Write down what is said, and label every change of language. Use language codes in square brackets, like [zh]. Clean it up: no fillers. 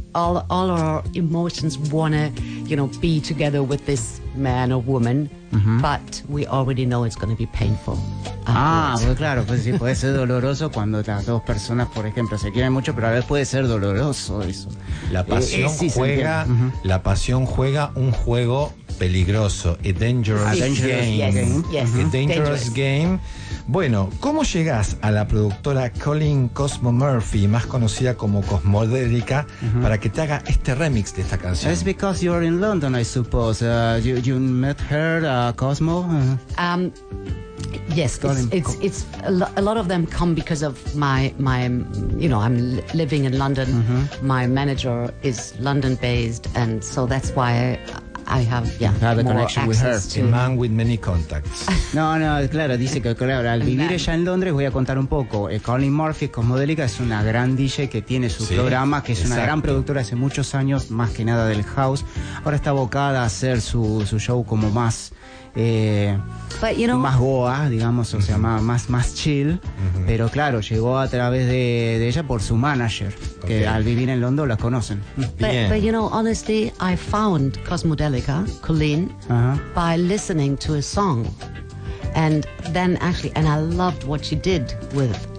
[en] All our emotions wanna, you know, be together with this man or woman, mm-hmm. but we already know it's gonna be painful. [es] Pues claro, pues sí, puede ser doloroso cuando las dos personas, por ejemplo, se quieren mucho, pero a veces puede ser doloroso eso. La pasión juega un juego peligroso, [en] a dangerous game. [es] Bueno, ¿cómo llegás a la productora Colleen Cosmo Murphy, más conocida como Cosmodélica, mm-hmm. para que te haga este remix de esta canción? [en] It's because you're in London, I suppose. You met her, Cosmo? Yes, it's a lot of them come because of my you know, I'm living in London. Mm-hmm. My manager is London-based, and so that's why I have, yeah. Have a connection with her. A man with many contacts. [es] No, no, claro, dice que claro, al vivir ella en Londres, voy a contar un poco. Colin Murphy, Cosmodélica, es una gran DJ que tiene su programa, que es una gran productora hace muchos años, más que nada del house. Ahora está abocada a hacer su show como más. [en] But you know, [es] más goa, digamos, o sea, más chill. Pero claro, llegó a través de ella por su manager, que al vivir en Londres la conocen. [en] But you know, honestly, I found Cosmodélica, Colleen, by listening to a song. And then actually, and I loved what she did with.